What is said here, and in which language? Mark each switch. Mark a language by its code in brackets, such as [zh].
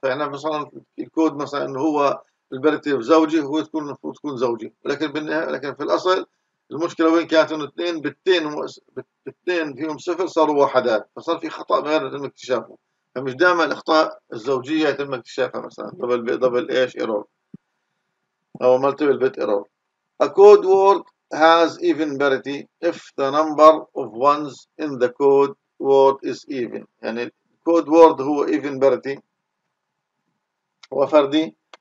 [ar] فاحنا مثلا الكود مثلا انه هو البرتي زوجي، هو تكون المفروض تكون زوجي، لكن لكن في الاصل المشكله وين كانت؟ انه اثنين بالتين بالتين فيهم صفر صاروا وحدات، فصار في خطا غير يتم اكتشافه. فمش دائما الاخطاء الزوجيه يتم اكتشافها، مثلا [en] Double بي double ايش error او multiple bit error. A code word has even parity if the number of ones in the code word is even. [ar] يعني [en] code word هو even parity, [ar] هو فردي.